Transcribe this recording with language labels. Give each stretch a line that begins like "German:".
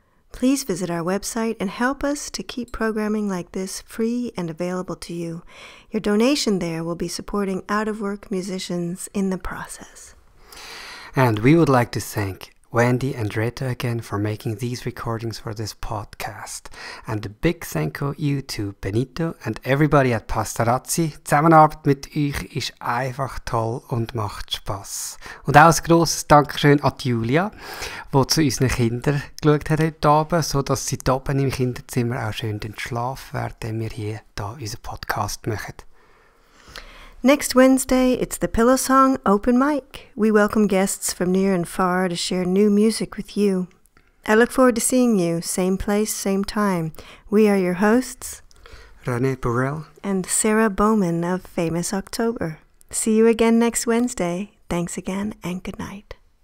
English: Please visit our website and help us to keep programming like this free and available to you. Your donation there will be supporting out-of-work musicians in the process. And we would like to thank Wendy and Reto again for making these recordings for this podcast. And a big thank you to Benito and everybody at Pastarazzi.
German: Zusammenarbeit mit euch ist einfach toll und macht Spass. Und auch ein grosses Dankeschön an Julia, die zu unseren Kindern geschaut hat heute Abend, sodass sie hier oben im Kinderzimmer auch schön den Schlaf werden, wenn wir hier da unseren Podcast machen.
English: Next Wednesday, it's the Pillow Song Open Mic. We welcome guests from near and far to share new music with you. I look forward to seeing you, same place, same time. We are your hosts, René Burrell and Sarah Bowman of Famous October. See you again next Wednesday. Thanks again and good night.